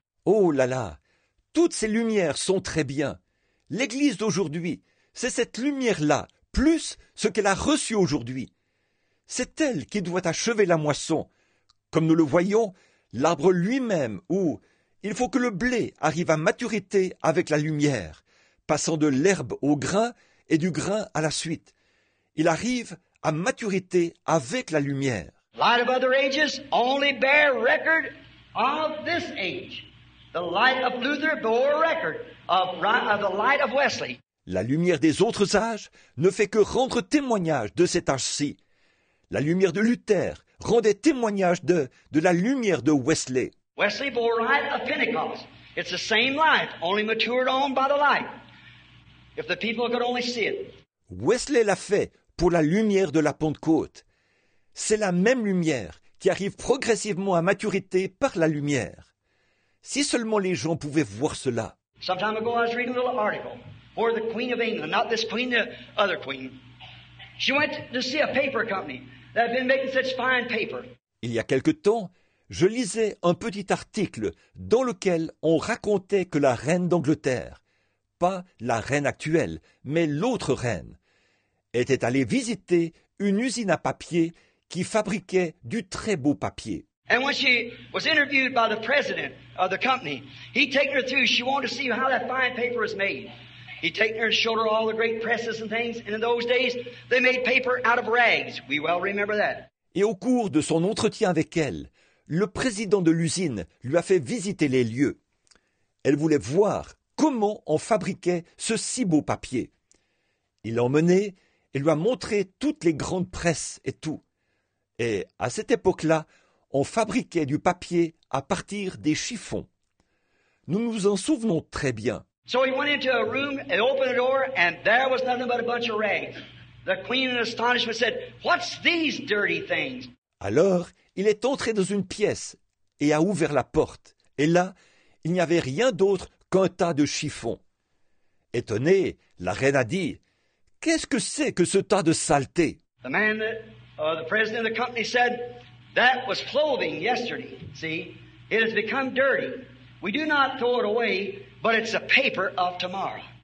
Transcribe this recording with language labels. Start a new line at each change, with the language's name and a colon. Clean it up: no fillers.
French: Oh là là, toutes ces lumières sont très bien. L'église d'aujourd'hui, c'est cette lumière-là, plus ce qu'elle a reçu aujourd'hui. C'est elle qui doit achever la moisson. Comme nous le voyons, l'arbre lui-même où il faut que le blé arrive à maturité avec la lumière, passant de l'herbe au grain et du grain à la suite. Il arrive à maturité avec la lumière.
English: Light of other ages only bear record of this age. The light of Luther bore record of the light of Wesley.
French: La lumière des autres âges ne fait que rendre témoignage de cet âge-ci. La lumière de Luther rendait témoignage de la lumière de Wesley.
English: Wesley bore light of Pentecost. It's the same light, only matured on by the light. If the people could only see it.
French: Wesley l'a fait pour la lumière de la Pentecôte. C'est la même lumière qui arrive progressivement à maturité par la lumière. Si seulement les gens pouvaient voir cela.
English: Some time ago, I was reading a little article for the Queen of England, not this Queen, the other Queen. She went to see a paper company. That been making such fine paper.
French: Il y a quelque temps, je lisais un petit article dans lequel on racontait que la reine d'Angleterre, pas la reine actuelle, mais l'autre reine, était allée visiter une usine à papier qui fabriquait du très beau papier.
English: And when she was interviewed by the president of the company, he taken her through. She wanted to see how that fine paper was made. He'd taken her and showed her all the great presses and things, and in those days, they made paper out of rags. We well remember that.
French: Et au cours de son entretien avec elle, le président de l'usine lui a fait visiter les lieux. Elle voulait voir comment on fabriquait ce si beau papier. Il l'a emmené et lui a montré toutes les grandes presses et tout. Et à cette époque-là, on fabriquait du papier à partir des chiffons. Nous nous en souvenons très bien.
English: So he went into a room and opened a door, and there was nothing but a bunch of rags. The queen, in astonishment, said, "What's these dirty things?"
French: Alors, il est entré dans une pièce et a ouvert la porte. Et là, il n'y avait rien d'autre qu'un tas de chiffons. Étonnée, la reine a dit, "Qu'est-ce que c'est que ce tas de saleté?"
English: The man, that, the president of the company, said, "That was clothing yesterday. See, it has become dirty. We do not throw it away." But it's a paper of tomorrow.